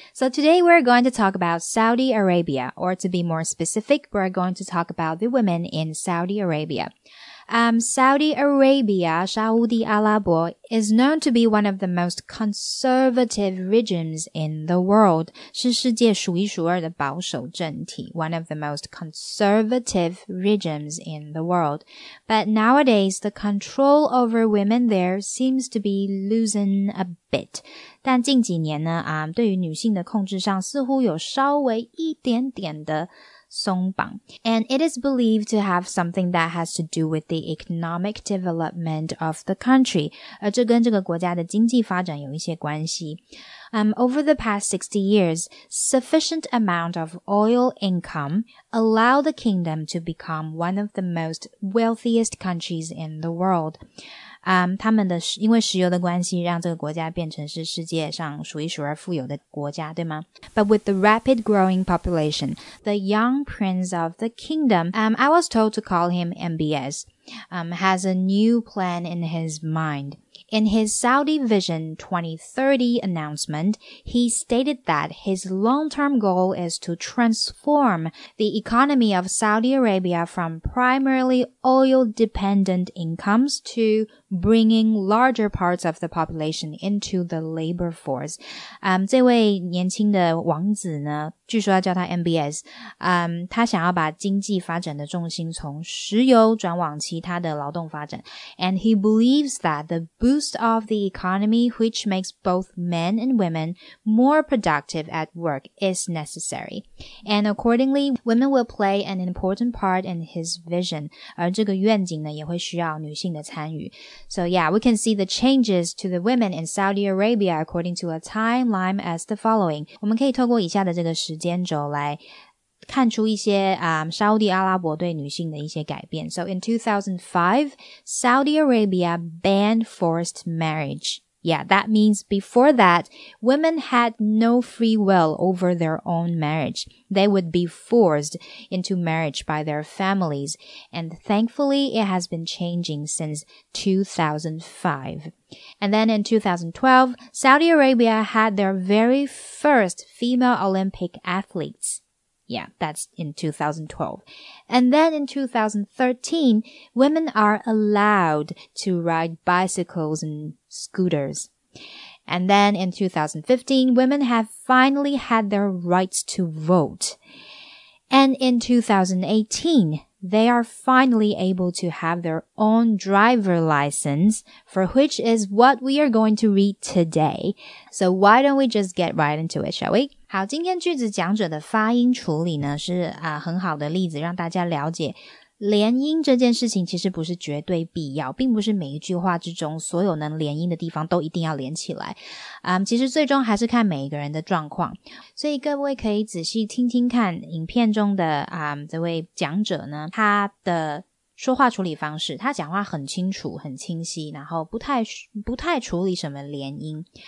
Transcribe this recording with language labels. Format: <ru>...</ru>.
<en>So today we're going to talk about Saudi Arabia, or to be more specific, we're going to talk about the women in Saudi Arabia. Saudi Arabia, Saudi Arabia, is known to be one of the most conservative regimes in the world.</en> <zh>是世界数一数二的保守政体。</zh> <en>One of the most conservative regimes in the world. But nowadays, the control over women there seems to be losing a bit.</en> <zh>但近几年呢，对于女性的控制上似乎有稍微一点点的松绑。</zh> <en>And it is believed to have something that has to do with the economic development of the country.</en> <zh>而这跟这个国家的经济发展有一些关系。</zh> <en>Over the past 60 years, sufficient amount of oil income allowed the kingdom to become one of the most wealthiest countries in the world.</en> <zh>他们的因为石油的关系让这个国家变成是世界上数一数二富有的国家，对吗？</zh> <en>But with the rapid growing population, the young prince of the kingdom, I was told to call him MBS, has a new plan in his mind. In his Saudi Vision 2030 announcement, he stated that his long-term goal is to transform the economy of Saudi Arabia from primarily oil-dependent incomes to bringing larger parts of the population into the labor force.</en> <zh>这位年轻的王子呢，据说要叫他 MBS, 他想要把经济发展的重心从石油转往其他的劳动发展。</zh> <en>And he believes that the boost of the economy, which makes both men and women more productive at work, is necessary. And accordingly, women will play an important part in his vision.</en> <zh>而这个愿景呢，也会需要女性的参与。</zh> <en>So yeah, we can see the changes to the women in Saudi Arabia according to a timeline as the following.</en> <zh>我们可以透过以下的这个时间轴来看出一些沙烏地阿拉伯对女性的一些改变。</zh> <en>So in 2005, Saudi Arabia banned forced marriage. Yeah, that means before that, women had no free will over their own marriage. They would be forced into marriage by their families. And thankfully, it has been changing since 2005. And then in 2012, Saudi Arabia had their very first female Olympic athletes. Yeah, that's in 2012. And then in 2013, women are allowed to ride bicycles and scooters. And then in 2015, women have finally had their rights to vote. And in 2018, they are finally able to have their own driver license, for which is what we are going to read today. So why don't we just get right into it, shall we?</en> <zh>好，今天句子讲者的发音处理呢，是很好的例子，让大家了解连音这件事情其实不是绝对必要，并不是每一句话之中所有能连音的地方都一定要连起来。其实最终还是看每一个人的状况。所以各位可以仔细听听看影片中的这位讲者呢，他的说话处理方式，他讲话很清楚很清晰，然后不太处理什么连音。</zh>